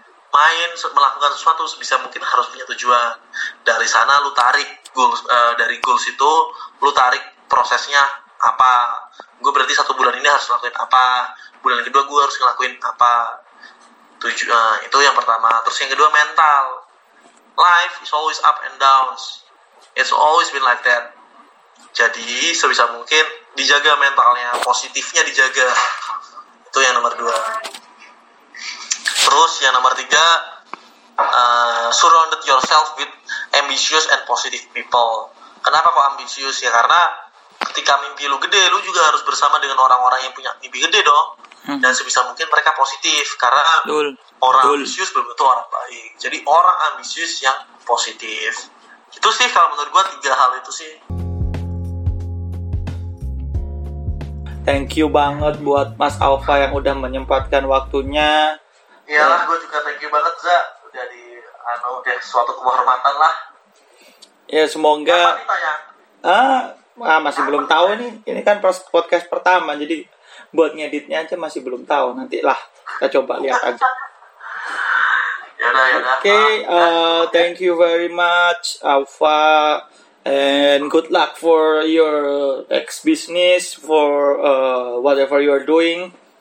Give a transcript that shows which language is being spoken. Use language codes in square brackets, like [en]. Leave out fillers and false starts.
[id] Main, melakukan sesuatu sebisa mungkin harus punya tujuan. Dari sana lu tarik goals, dari goals itu lu tarik prosesnya apa. Gue berarti satu bulan ini harus ngelakuin apa, bulan kedua gue harus ngelakuin apa. Itu yang pertama. Terus yang kedua, mental. [en] Life is always up and downs. It's always been like that. [id] Jadi sebisa mungkin dijaga mentalnya, positifnya dijaga. Itu yang nomor dua. Terus yang nomor tiga, [en] surrounded yourself with ambitious and positive people. [id] Kenapa kok ambisius? Ya karena ketika mimpi lu gede, lu juga harus bersama dengan orang-orang yang punya mimpi gede dong. Dan sebisa mungkin mereka positif. Karena orang ambisius belum tentu orang baik. Jadi orang ambisius yang positif. Itu sih kalau menurut gua tiga hal itu sih. [en] Thank you [id] banget buat Mas Alfa yang udah menyempatkan waktunya. Iyalah, gue juga [en] thank you [id] banget, Za. Udah suatu kehormatan lah. Ya, semoga... Apa nih tayang? Masih belum tahu nih. Ini kan podcast pertama, jadi buat ngeditnya aja masih belum tahu. Nanti lah, kita coba lihat aja. Yaudah. [en] Oke, thank you very much, Alfa. And good luck for your next business, for whatever you're doing.